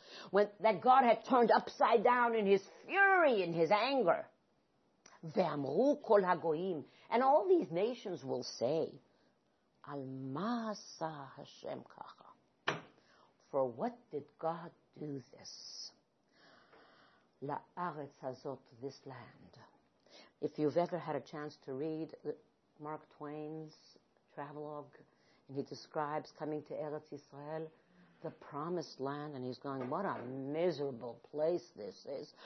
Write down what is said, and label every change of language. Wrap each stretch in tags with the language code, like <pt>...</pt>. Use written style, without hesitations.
<en>When that God had turned upside down in his fury, in his anger.</en> <he>ואמרו כל הגויים,</he> <en>and all these nations will say,</en> <he>על מה עשה השם ככה?</he> <en>For what did God do this?</en> <he>לארץ הזאת,</he> <en>this land. If you've ever had a chance to read Mark Twain's travelogue, and he describes coming to Eretz Yisrael, the promised land, and he's going, what a miserable place this is.</en>